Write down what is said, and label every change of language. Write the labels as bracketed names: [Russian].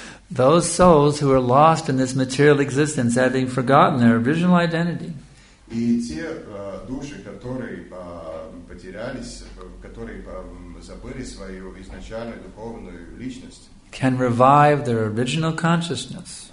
[English] Those souls who are lost in this material existence, having forgotten their original identity. [Russian] И те души, которые потерялись, которые забыли свою изначальную духовную личность, [English] can revive their original consciousness.